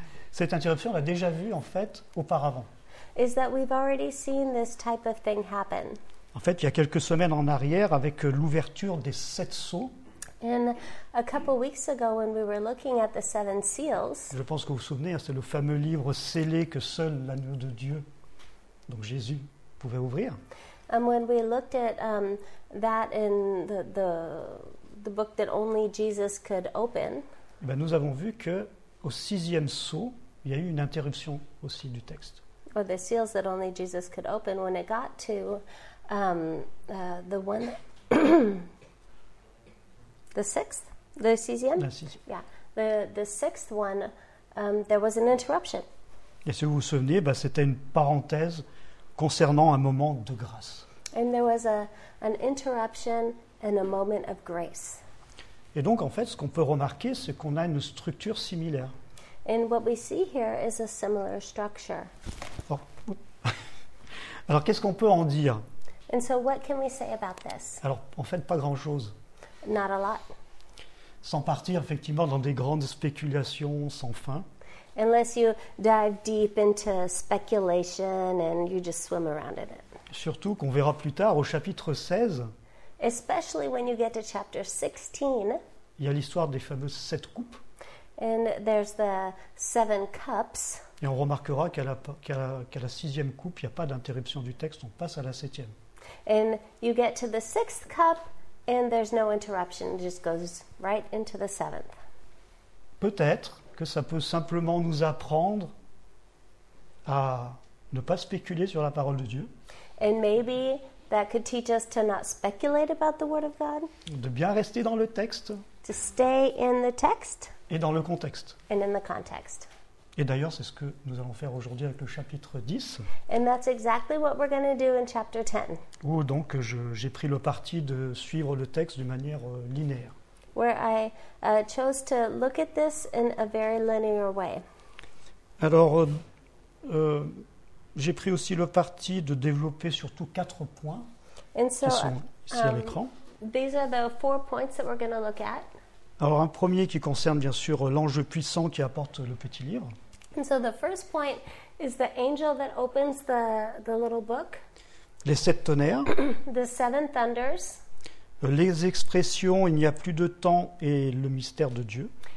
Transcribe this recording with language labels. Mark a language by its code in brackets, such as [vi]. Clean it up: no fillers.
[fr] cette interruption on l'a déjà vue en fait auparavant, [en] is that we've already seen this type of thing happen. [fr] En fait, il y a quelques semaines en arrière avec l'ouverture des sept sceaux. [en] And a couple weeks ago, when we were looking at the seven seals, [fr] je pense que vous vous souvenez, c'est le fameux livre scellé que seul l'agneau de Dieu, donc Jésus, pouvait ouvrir. [en] And when we looked at that in the book that only Jesus could open, [fr] ben nous avons vu que au sixième sceau, il y a eu une interruption aussi du texte. [en] Or the seals that only Jesus could open, when it got to the one. The sixth, the sixième, yeah, the sixth one, there was an interruption. [fr] Et si vous vous souvenez, bah, c'était une parenthèse concernant un moment de grâce. [en] And there was an interruption and a moment of grace. [fr] Et donc, en fait, ce qu'on peut remarquer, c'est qu'on a une structure similaire. [en] And what we see here is a similar structure. Oh. [fr] Alors, qu'est-ce qu'on peut en dire? [en] And so, what can we say about this? [fr] Alors, en fait, pas grand-chose. [en] Not a lot. [fr] Sans partir effectivement dans des grandes spéculations sans fin. [en] Unless you dive deep into speculation and you just swim around in it. [fr] Surtout qu'on verra plus tard au chapitre 16. [en] Especially when you get to chapter 16. [fr] Il y a l'histoire des fameuses sept coupes. [en] And there's the seven cups. [fr] Et on remarquera qu'à la sixième coupe, il n'y a pas d'interruption du texte, on passe à la septième. [en] And you get to the sixth cup and there's no interruption, it just goes right into the seventh. [fr] Peut-être que ça peut simplement nous apprendre à ne pas spéculer sur la parole de Dieu. [en] And maybe that could teach us to not speculate about the word of God. [fr] De bien rester dans le texte. [en] To stay in the text. [fr] Et dans le contexte. [en] And in the context. [fr] Et d'ailleurs, c'est ce que nous allons faire aujourd'hui avec le chapitre 10. [en] And that's exactly what we're going to do in chapter 10. [fr] Où donc j'ai pris le parti de suivre le texte d'une manière linéaire. [en] Where I chose to look at this in a very linear way. [fr] Alors, j'ai pris aussi le parti de développer surtout quatre points qui sont ici à l'écran. [en] These are the four points that we're going to look at. [fr] Alors, un premier qui concerne bien sûr l'ange puissant qui apporte le petit livre. [en] And so the first point is the angel that opens the little book. [fr] Les sept tonnerres. [en] The seven thunders. [fr] Les expressions il n'y a plus de temps et le mystère de Dieu.